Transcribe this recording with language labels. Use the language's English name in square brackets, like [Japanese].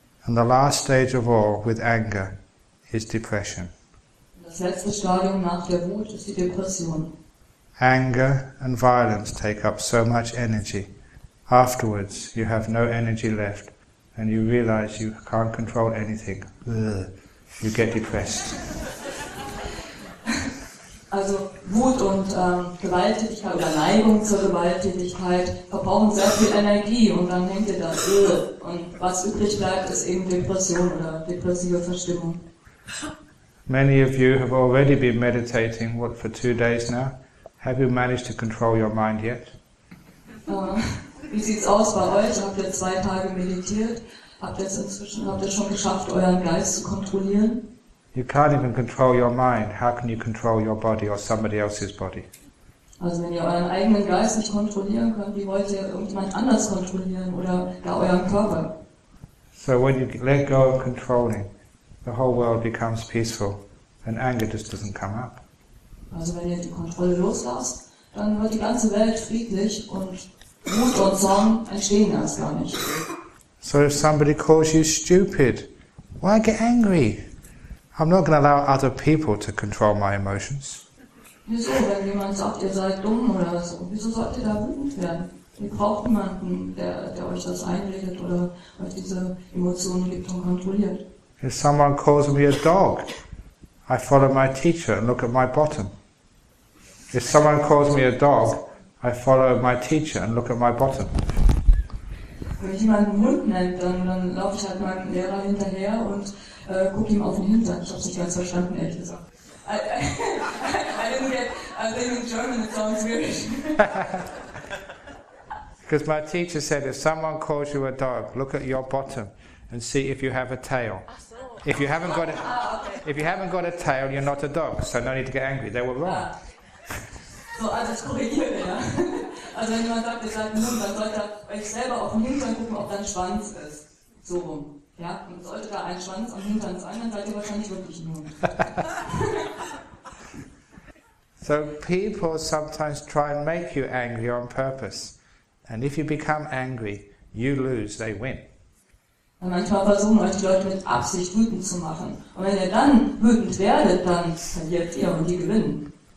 [English] And the last stage of all, with anger, is depression. [German] Das letzte Stadium nach der Wut ist die Depression. [English] Anger and violence take up so much energy. Afterwards, you have no energy left and you realize you can't control anything. Ugh. You get depressed. [German] Also Wut und Gewalttätigkeit oder Neigung zur Gewalttätigkeit verbrauchen sehr viel Energie und dann denkt ihr das. Ugh. Und was übrig bleibt, ist eben Depression oder depressive Verstimmung. [English] Many of you have already been meditating for 2 days now. Have you managed to control your mind yet? [German] Wie sieht's aus bei euch? Habt ihr 2 Tage meditiert? Habt ihr schon geschafft, euren Geist zu kontrollieren? [English] You can't even control your mind. How can you control your body or somebody else's body? [German] Also wenn ihr euren eigenen Geist nicht kontrollieren könnt, wie wollt ihr irgendjemand anders kontrollieren oder gar euren Körper? [English] So when you let go of controlling, the whole world becomes peaceful, and anger just doesn't come up. [German] Also, wenn ihr die Kontrolle loslasst, dann wird die ganze Welt friedlich und Wut und Zorn entstehen erst gar nicht. [English] So, if somebody calls you stupid, why get angry? I'm not going to allow other people to control my emotions. [German] Wieso, wenn jemand sagt, ihr seid dumm oder so, wieso sollt ihr da wütend werden? Ihr braucht niemanden, der euch das einredet oder euch diese Emotionen gibt und kontrolliert. [English] If someone calls me a dog, I follow my teacher and look at my bottom. If someone calls me a dog, I follow my teacher and look at my bottom. [German] Wenn ich jemanden Hund nenne, dann laufe ich halt meinem Lehrer hinterher und gucke ihm auf den Hintern. Ich habe es nicht ganz verstanden, ehrlich gesagt. [English] I didn't get German, it sounds weird. Because my teacher said, if someone calls you a dog, look at your bottom and see if you have a tail. If you haven't got a, if you haven't got a tail, you're not a dog, so no need to get angry. They were wrong. [German] So, also das korrigiere, ja. Also wenn jemand sagt, ihr seid ein Hund, dann sollte er euch selber auf den Hintern gucken, ob da ein Schwanz ist. So rum. Ja? Und sollte da ein Schwanz am Hintern sein, dann seid ihr wahrscheinlich wirklich ein Hund. [English] So people sometimes try and make you angry on purpose. And if you become angry, you lose, they win. [German] Und manchmal versuchen euch die Leute mit Absicht wütend zu machen. Und wenn ihr dann wütend werdet, dann verliert ihr und die gewinnen.